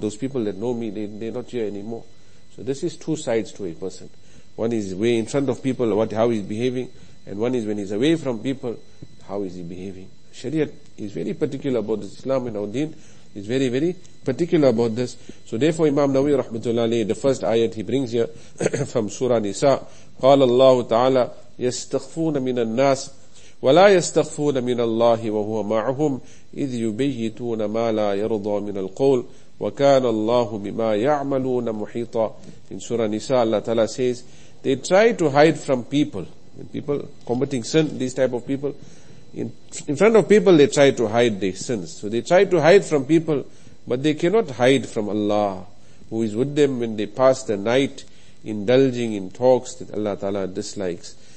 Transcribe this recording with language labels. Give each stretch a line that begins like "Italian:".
English: Those people that know me, they're not here anymore. So this is two sides to a person. One is way in front of people, how he's behaving, and one is when he's away from people, how is he behaving. Sharia is very particular about this. Islam and our deen is very, very particular about this. So therefore, Imam Nawawi rahmatullahi alayhi, the first ayat he brings here from Surah Nisa,
Arabic: قال الله تعالى يستخفون من الناس ولا يستخفون من الله وهو معهم إذ يبيتون ما لا يرضى من القول وكان الله بما يعملون محيطا.
English: In Surah Nisa, Allah Ta'ala says, they try to hide from people. People committing sin, these type of people, in front of people they try to hide their sins. So they try to hide from people, but they cannot hide from Allah, who is with them when they pass the night, indulging in talks that Allah Ta'ala dislikes.